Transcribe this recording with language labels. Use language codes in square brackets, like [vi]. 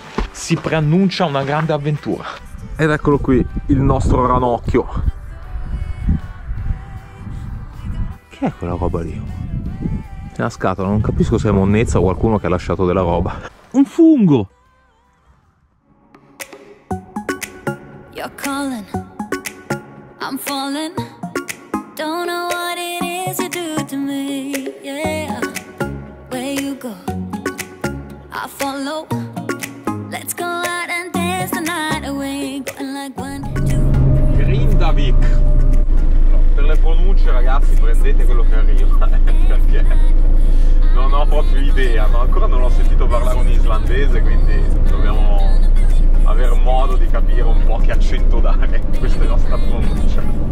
[it] Si preannuncia una grande avventura. Ed eccolo qui, il nostro ranocchio. Che è quella roba lì? È una scatola, non capisco se è monnezza o qualcuno che ha lasciato della roba. Un fungo! [en] You're calling, I'm falling, don't know what it is you do to me, yeah, where you go, I follow, let's go out and dance the night away, going like one, two, Grindavik, [it] no, per le pronunce ragazzi prendete quello che arriva, perché non ho proprio idea, ma ancora non ho sentito parlare un islandese, quindi dobbiamo aver modo di capire un po' che accento dare questa nostra pronuncia.